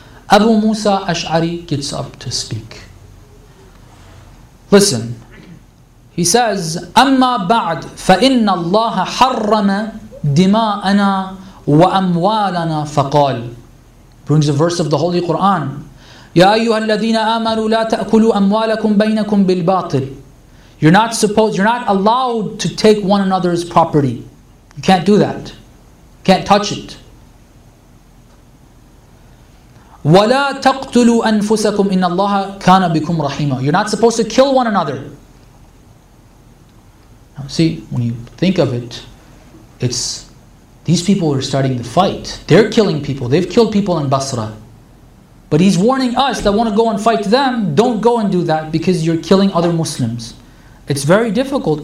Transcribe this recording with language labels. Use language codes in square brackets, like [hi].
[en] Abu Musa Ash'ari gets up to speak. Listen, he says, [ar] أَمَّا بَعْدْ فَإِنَّ اللَّهَ حَرَّمَ دِمَاءَنَا وَأَمْوَالَنَا فَقَالْ [en] Brings a verse of the Holy Quran. [ar] يَا أَيُّهَا الَّذِينَ آمَنُوا لَا تَأْكُلُوا أَمْوَالَكُمْ بَيْنَكُمْ بِالْبَاطِلِ [en] You're not allowed to take one another's property. You can't do that. You can't touch it. [ar] وَلَا تَقْتُلُوا أَنفُسَكُمْ إِنَّ اللَّهَ كَانَ بِكُمْ رَحِيمًا [en] You're not supposed to kill one another. Now see, when you think of it, it's these people are starting the fight. They're killing people. They've killed people in Basra. But he's warning us that want to go and fight them, don't go and do that because you're killing other Muslims. It's very difficult.